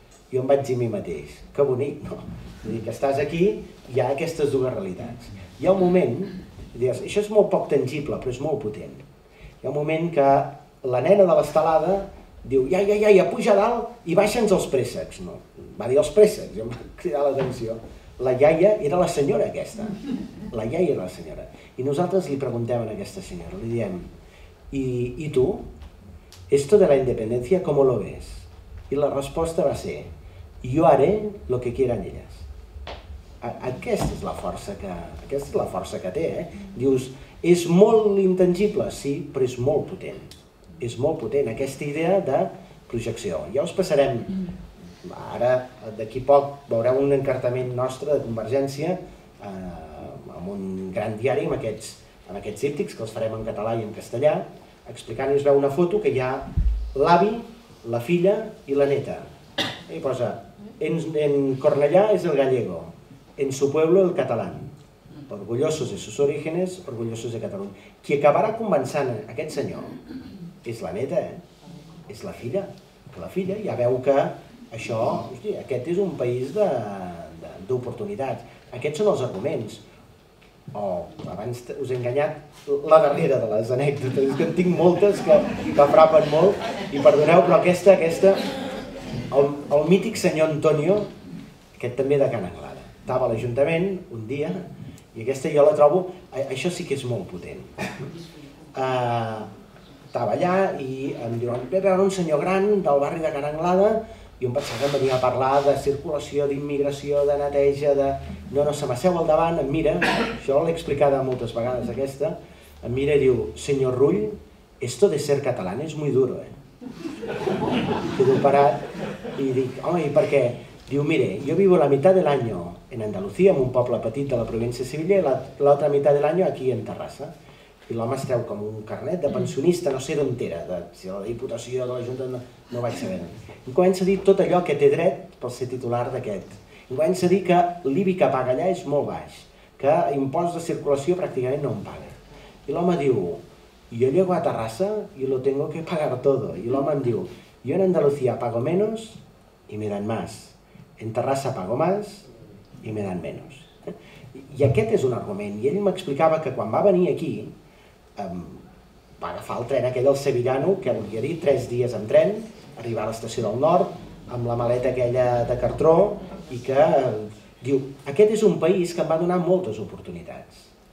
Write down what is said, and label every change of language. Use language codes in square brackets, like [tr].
[ca] Jo em vaig dir a mi mateix, que bonic, no? És a dir, que estàs aquí, hi ha aquestes dues realitats. Hi ha un moment, dius, això és molt poc tangible, però és molt potent. Hi ha un moment que la nena de l'estelada diu, ja, puja a dalt i baixa'ns els préssecs. No, va dir els préssecs, jo em va cridar l'atenció. La iaia era la senyora aquesta. La iaia era la senyora. I nosaltres li preguntem a aquesta senyora, li diem, i tu, [es] esto de la independencia, ¿cómo lo ves? [ca] I la resposta va ser, [es] yo haré lo que quieran ellas. [ca] Aquesta és la força que, té, Dius, és molt intangible, sí, però és molt potent. És molt potent, aquesta idea de projecció. Ja us passarem, ara, d'aquí poc, veureu un encartament nostre de Convergència amb un gran diari, amb aquests híptics, que els farem en català i en castellà, explicant, i es veu una foto que hi ha l'avi, la filla i la neta. I posa, [es] En Cornellà és el gallego, en su pueblo el catalán. Orgullosos de sus orígenes, orgullosos de Catalunya. [ca] Qui acabarà convençant aquest senyor és la neta, és la filla. La filla ja veu que això, hòstia, aquest és un país d'oportunitats. Aquests són els arguments. Oh, abans us he enganyat la darrera de les anècdotes, que en tinc moltes que frapen molt, i perdoneu, però aquesta... El mític senyor Antonio, aquest també de Can Anglada, estava a l'Ajuntament un dia, i aquesta jo la trobo, això sí que és molt potent. Estava allà i em diuen, ve a veure un senyor gran del barri de Can Anglada, i em pensava que em venia a parlar de circulació, d'immigració, de neteja, de... No, no, se m'asseu al davant, em mira, això l'he explicat moltes vegades aquesta, em mira i diu, senyor Rull, [es] esto de ser catalán es muy duro, eh? [ca] Quedo parat i dic, home, i per què? [es] Diu, mire, yo vivo la mitad del año en Andalucía, [ca] en un poble petit de la província de Sevilla, i l'altra [es] mitad del año aquí en Terrassa. [ca] I l'home es treu com un carnet de pensionista, no sé d'on era, de la Diputació, de la Junta, no vaig saber. I comença a dir tot allò que té dret per ser titular d'aquest. I comença a dir que l'IBI que paga allà és molt baix, que impost de circulació pràcticament no en paga. I l'home diu, [es] yo llego a Terrassa y lo tengo que pagar todo. [ca] I l'home em diu, [es] yo en Andalucía pago menos y me dan más. En Terrassa pago más y me dan menos. [ca] I aquest és un argument. I ell m'explicava que quan va venir aquí, va agafar el tren aquell del Sevillano, que li ha dit 3 dies en tren, arribar a l'estació del Nord, amb la maleta aquella de cartró, i que diu, aquest és un país que em va donar moltes oportunitats.